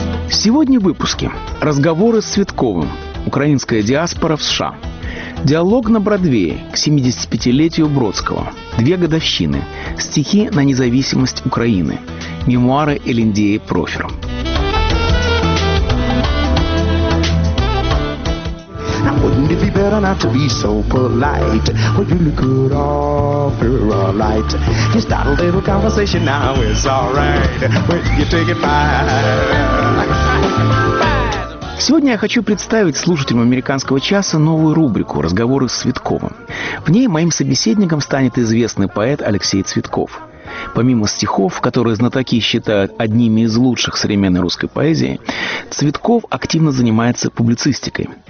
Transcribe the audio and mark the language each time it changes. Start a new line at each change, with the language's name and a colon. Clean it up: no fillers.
Russian: Сегодня в выпуске. Разговоры с Цветковым. Украинская диаспора в США. Диалог на Бродвее к 75-летию Бродского. Две годовщины. Стихи на независимость Украины. Мемуары Элендеи Профер.
English: Wouldn't it be better not to be so polite? Would you look good after a light? You start a little conversation now, it's all right. When you take it back.
Russian: Сегодня я хочу представить слушателям «Американского часа» новую рубрику «Разговоры с Цветковым». В ней моим собеседником станет известный поэт Алексей Цветков. Помимо стихов, которые знатоки считают одними из лучших современной русской поэзии, Цветков активно занимается публицистикой.